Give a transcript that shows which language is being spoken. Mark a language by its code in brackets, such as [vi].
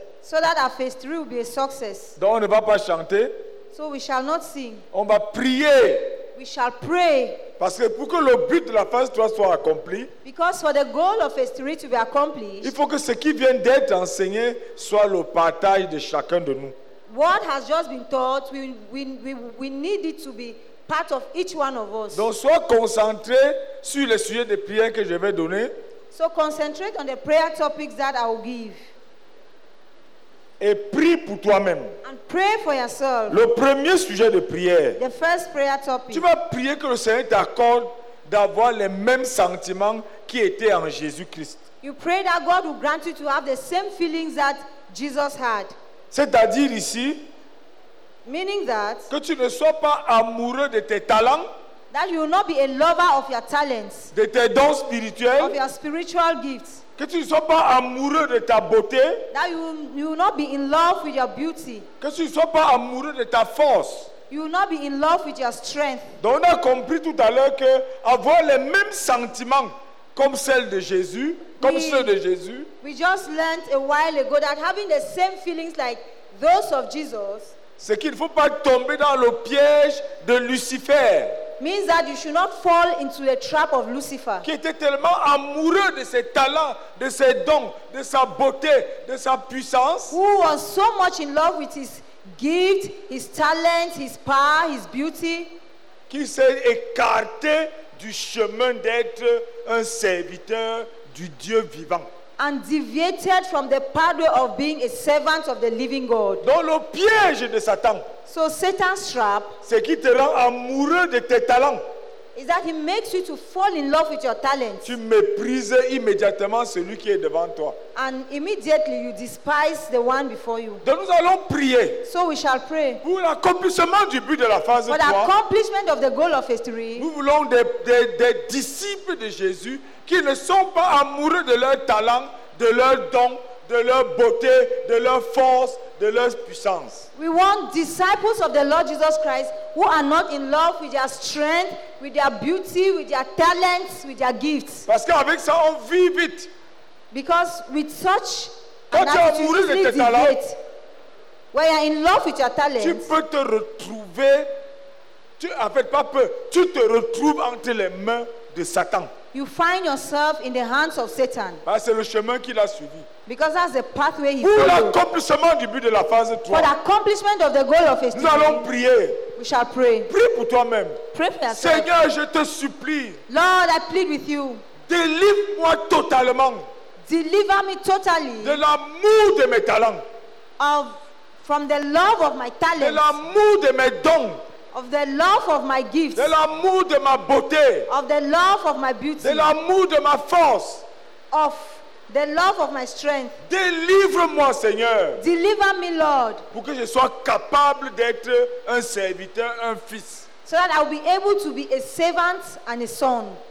[en] So that our phase 3 will be a success. [fr] Donc on ne va pas chanter. [en] So we shall not sing. [fr] On va prier. [en] We shall pray. [fr] Parce que pour que le but de la phase 3 soit accompli, [en] because for the goal of phase 3 to be accomplished, [fr] il faut que ce qui vient d'être enseigné soit le partage de chacun de nous. [en] What has just been taught, we need it to be part of each one of us. [fr] Donc sois concentré sur le sujet de prière que je vais donner. [en] So concentrate on the prayer topics that I will give. [fr] Et prie pour toi-même. [en] And pray for yourself. [fr] Le premier sujet de prière. [en] The first prayer topic. [fr] Tu vas prier que le Seigneur t'accorde d'avoir les mêmes sentiments qui étaient en Jésus-Christ. [en] You pray that God will grant you to have the same feelings that Jesus had. [fr] C'est-à-dire ici, [en] meaning that, [fr] que tu ne sois pas amoureux de tes talents, [en] that you will not be a lover of your talents, [fr] de tes dons spirituels, [en] of your spiritual gifts, [fr] que tu ne sois pas amoureux de ta beauté, [en] that you will not be in love with your beauty, [fr] que tu ne sois pas amoureux de ta force, [en] you will not be in love with your strength. [fr] Donc on a compris tout à l'heure que avoir les mêmes sentiments comme celle de Jésus, comme ceux de Jésus, [en] we just learned a while ago that having the same feelings like those of Jesus, [fr] c'est qu'il ne faut pas tomber dans le piège de Lucifer, [en] means that you should not fall into the trap of Lucifer, [fr] qui était tellement amoureux de ses talents, de ses dons, de sa beauté, de sa puissance, [en] who was so much in love with his gift, his talent, his power, his beauty, [fr] qui s'est écarté du chemin d'être un serviteur du Dieu vivant, [en] and deviated from the pathway of being a servant of the living God. [fr] Dans le piège de Satan. [en] So Satan's trap, [fr] c'est qu'il te rend amoureux de tes talents, [en] is that he makes you to fall in love with your talent. [fr] Tu méprises immédiatement celui qui est devant toi. [en] And immediately you despise the one before you. [fr] Donc nous allons prier. [en] So we shall pray. [fr] Pour l'accomplissement du but de la phase 3. [en] For the accomplishment of the goal of phase 3. [fr] Nous voulons des disciples de Jésus qui ne sont pas amoureux de leur talent, de leur don, de leur beauté, de leur force, de leur puissance. [en] We want disciples of the Lord Jesus Christ who are not in love with their strength, with their beauty, with their talents, with their gifts. [fr] Parce qu'avec ça, on vit vite. [en] Because with such an attitude, you easily deviate. When you are in love with your talents, [fr] tu peux te retrouver, tu, en fait, pas peu, tu te retrouves entre les mains de Satan. [en] You find yourself in the hands of Satan. [fr] Parce que le chemin qu'il a suivi. [en] Because that's the pathway he followed. [fr] Pour l'accomplissement du but de la phase 3. [en] For the accomplishment of the goal of his dream. [fr] Nous allons prier. [en] We shall pray. [fr] Prie pour toi-même. [en] Pray for yourself. [fr] Seigneur, je te supplie. [en] Lord, I plead with you. [fr] Délivre-moi totalement. [en] Deliver me totally. [fr] De l'amour de mes talents. [en] Of, from the love of my talents. [fr] De l'amour de mes dons. [en] Of the love of my gifts. [fr] De l'amour de ma beauté. [en] Of the love of my beauty. [fr] De l'amour de ma force. [en] Of the love of my strength. [fr] Délivre-moi, Seigneur. [en] Deliver me, Lord. [fr] Pour que je sois capable d'être un serviteur, un fils. [en] So that I will be able to be a servant and a son.